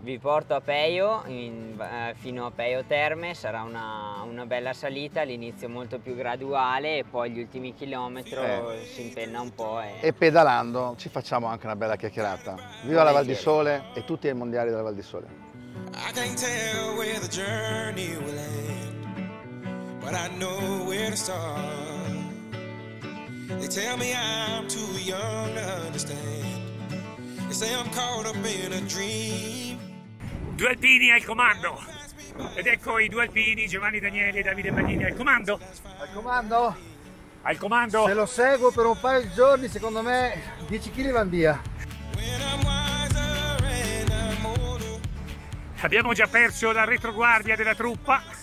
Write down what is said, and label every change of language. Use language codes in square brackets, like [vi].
[it] Vi porto a Peio, fino a Peio Terme, sarà una bella salita, all'inizio molto più graduale e poi gli ultimi chilometri si impenna un po'. E pedalando ci facciamo anche una bella chiacchierata. Viva la Val di Sole e tutti ai mondiali della Val di Sole. [en] I can't tell where the journey will end, but I know where to start. They tell me I'm too young to understand. They say I'm caught up in a dream. [it] Due alpini al comando. Ed ecco i due alpini, Giovanni Daniele e Davide Magnini, al comando. Al comando? Al comando. Se lo seguo per un paio di giorni, secondo me 10 kg van via. Abbiamo già perso la retroguardia della truppa.